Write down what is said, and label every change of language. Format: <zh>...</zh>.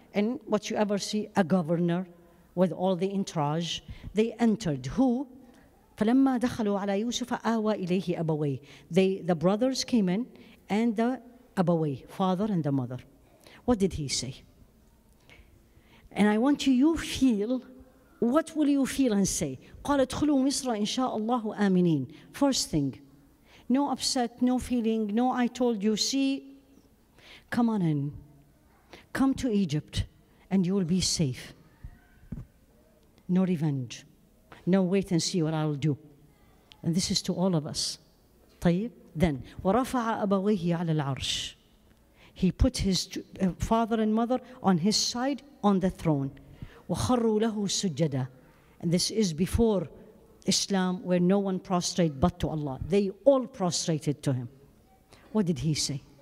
<en>And what you ever see, a governor with all the entourage. They entered. Who?</en> <ar>فلما دخلوا على يوسف آوى إليه أبويه.</ar> <en>They, the brothers came in, and the أبوي, father and the mother. What did he say? And I want you feel. What will you feel and say?</en> <ar>قال ادخلوا مصر إن شاء الله آمنين.</ar> <en>First thing, no upset, no feeling, no I told you, see, come on in. Come to Egypt and you will be safe. No revenge. No wait and see what I will do. And this is to all of us. طيب.</en> <ar>Then, ورفع أبويه على العرش.</ar> <en>He put his father and mother on his side on the throne.</en> <ar>وَخَرُّوا لَهُ سُجَّدًا.</ar> <en>And this is before Islam, where no one prostrate but to Allah. They all prostrated to him. What did he say?</en>